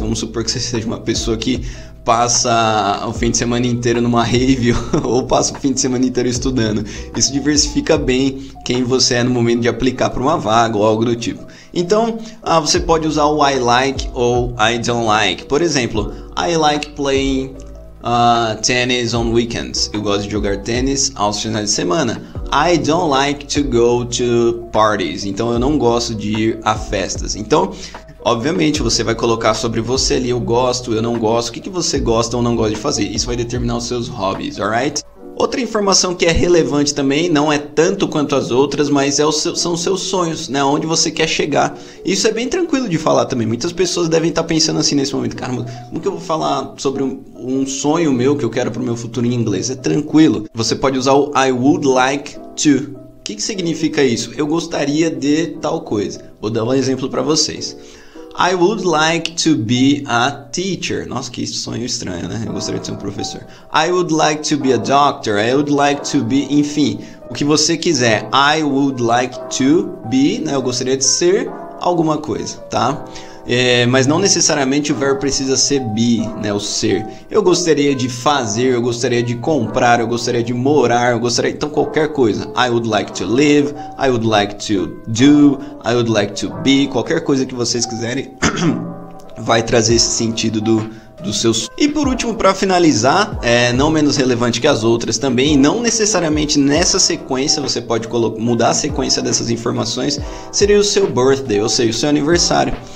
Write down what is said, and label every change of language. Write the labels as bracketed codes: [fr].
[pt] Vamos supor que você seja uma pessoa que passa o fim de semana inteiro numa rave ou passa o fim de semana inteiro estudando. Isso diversifica bem quem você é no momento de aplicar para uma vaga ou algo do tipo. Então, você pode usar o [en] I like [pt] ou [en] I don't like. [pt] Por exemplo, [en] I like playing tennis on weekends. [pt] Eu gosto de jogar tênis aos finais de semana. [en] I don't like to go to parties. [pt] Então, eu não gosto de ir a festas. Então, obviamente, você vai colocar sobre você ali, eu gosto, eu não gosto, o que você gosta ou não gosta de fazer. Isso vai determinar os seus hobbies, [en] alright? [pt] Outra informação que é relevante também, não é tanto quanto as outras, mas são os seus sonhos, né? Onde você quer chegar. Isso é bem tranquilo de falar também. Muitas pessoas devem estar pensando assim nesse momento: cara, como que eu vou falar sobre um sonho meu que eu quero pro meu futuro em inglês? É tranquilo. Você pode usar o [en] I would like to. [pt] O que significa isso? Eu gostaria de tal coisa. Vou dar um exemplo para vocês. [en] I would like to be a teacher. [pt] Nossa, que sonho estranho, né? Eu gostaria de ser um professor. [en] I would like to be a doctor. I would like to be... [pt] Enfim, o que você quiser. [en] I would like to be, [pt] né? Eu gostaria de ser alguma coisa, tá? Mas não necessariamente o verbo precisa ser be, né? O ser. Eu gostaria de fazer, eu gostaria de comprar, eu gostaria de morar, eu gostaria... Então, qualquer coisa. [en] I would like to live, I would like to do, I would like to be. [pt] Qualquer coisa que vocês quiserem vai trazer esse sentido dos seus... E por último, para finalizar, não menos relevante que as outras também, não necessariamente nessa sequência, você pode mudar a sequência dessas informações, seria o seu birthday, ou seja, o seu aniversário.